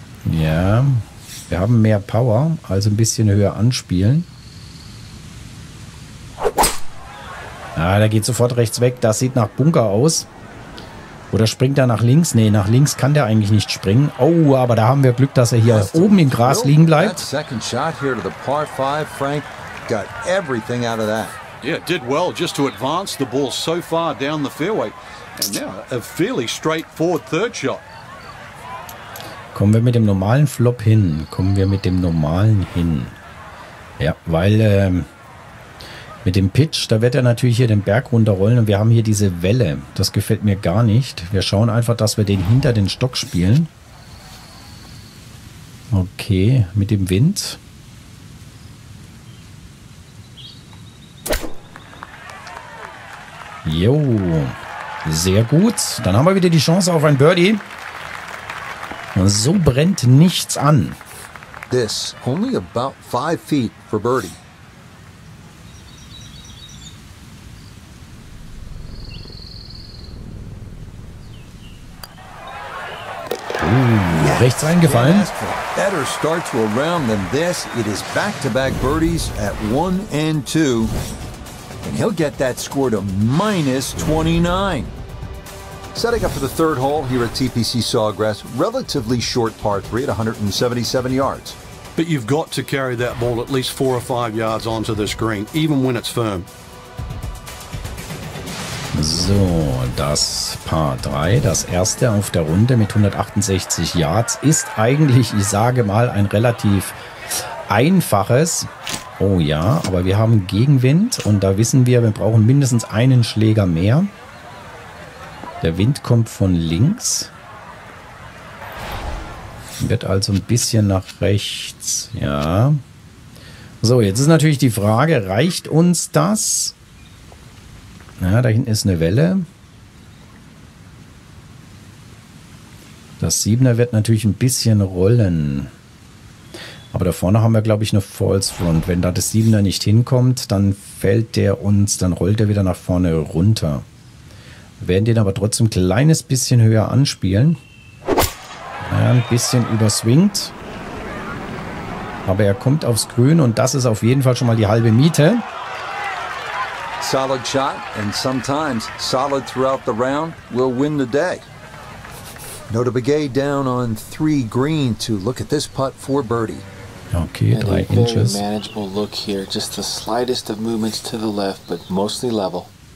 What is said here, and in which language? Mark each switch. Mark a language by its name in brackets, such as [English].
[German] Ja, wir haben mehr Power, also ein bisschen höher anspielen. Ah, der geht sofort rechts weg. Das sieht nach Bunker aus. Oder springt er nach links? Nee, nach links kann der eigentlich nicht springen. Oh, aber da haben wir Glück, dass er hier oben im Gras liegen bleibt. [English] Second shot here to the par 5. Frank got everything out of that. Yeah, did well just to advance the ball so far down the fairway. And now a fairly straightforward third shot. [German] Kommen wir mit dem normalen Flop hin? Kommen wir mit dem normalen hin? Ja, weil mit dem Pitch, da wird er natürlich hier den Berg runterrollen und wir haben hier diese Welle. Das gefällt mir gar nicht. Wir schauen einfach, dass wir den hinter den Stock spielen. Okay, mit dem Wind. Jo, sehr gut. Dann haben wir wieder die Chance auf ein Birdie. Und so brennt nichts an. [English] This only about 5 feet for birdie. [German] Rechts eingefallen. [English] Better start to a round than this. It is back to back birdies at 1 and 2. And he'll get that score to minus 29. Setting up for the third hole here at TPC Sawgrass, relatively short par 3 at 177 yards. But you've got to carry that ball at least 4 or 5 yards onto this green, even when it's firm. [German] So, das Par 3, das erste auf der Runde mit 168 Yards, ist eigentlich, ich sage mal, ein relativ einfaches. Oh ja, aber wir haben Gegenwind und da wissen wir, wir brauchen mindestens einen Schläger mehr. Der Wind kommt von links. Wird also ein bisschen nach rechts, ja. So, jetzt ist natürlich die Frage, reicht uns das? Ja, da hinten ist eine Welle. Das 7er wird natürlich ein bisschen rollen. Aber da vorne haben wir, glaube ich, eine False Front. Wenn da das 7er nicht hinkommt, dann fällt der uns, dann rollt er wieder nach vorne runter. Wir werden den aber trotzdem ein kleines bisschen höher anspielen. Ja, ein bisschen überswingt. Aber er kommt aufs Grün und das ist auf jeden Fall schon mal die halbe Miete. [English] Solid shot and sometimes solid throughout the round will win the day. Nota Begay down on 3 green to look at this putt for birdie. Okay, 3 inches. Very manageable look here, just the slightest of movements to the left, but mostly level.